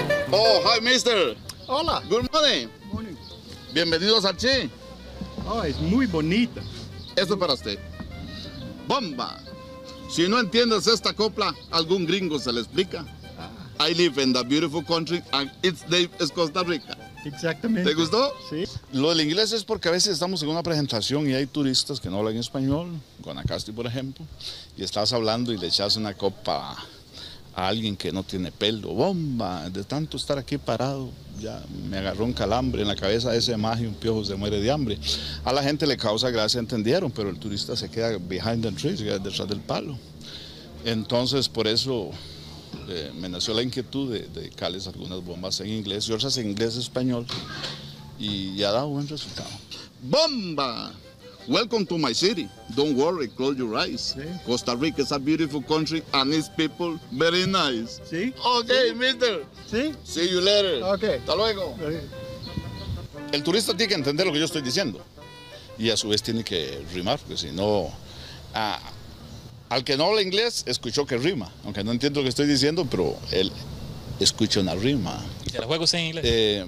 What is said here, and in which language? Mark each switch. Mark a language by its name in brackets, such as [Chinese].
[English] Oh, hi mister. [Spanish] Hola. [English] Good morning. Morning. [Spanish] Bienvenidos al Chi. Oh, es muy bonita. Esto es para usted. Bomba. Si no entiendes esta copla, algún gringo se le explica. [English] I live in the beautiful country and its name is Costa Rica. [Spanish] Exactamente. ¿Te gustó? Sí. Lo del inglés es porque a veces estamos en una presentación y hay turistas que no hablan español, Guanacaste por ejemplo, y estás hablando y le echas una copa a alguien que no tiene pelo. ¡Bomba! De tanto estar aquí parado, ya me agarró un calambre en la cabeza, ese maje, un piojo se muere de hambre. A la gente le causa gracia, entendieron, pero el turista se queda [English] behind the trees, [Spanish] detrás del palo. Entonces, por eso... me nació la inquietud de dedicarles algunas bombas en inglés y otras en inglés español y ha dado buen resultado. [English] ¡Bomba! Welcome to my city. Don't worry, close your eyes. [Spanish] Sí. [English] Costa Rica is a beautiful country and its people very nice. [Spanish] ¿Sí? Ok, sí. [English] Mister. [Spanish] ¿Sí? [English] See you later. Ok. [Spanish] Hasta luego. El turista tiene que entender lo que yo estoy diciendo y a su vez tiene que rimar, porque si no... Al que no habla inglés, escuchó que rima. Aunque no entiendo lo que estoy diciendo, pero él escucha una rima. ¿Y se la juega usted en inglés?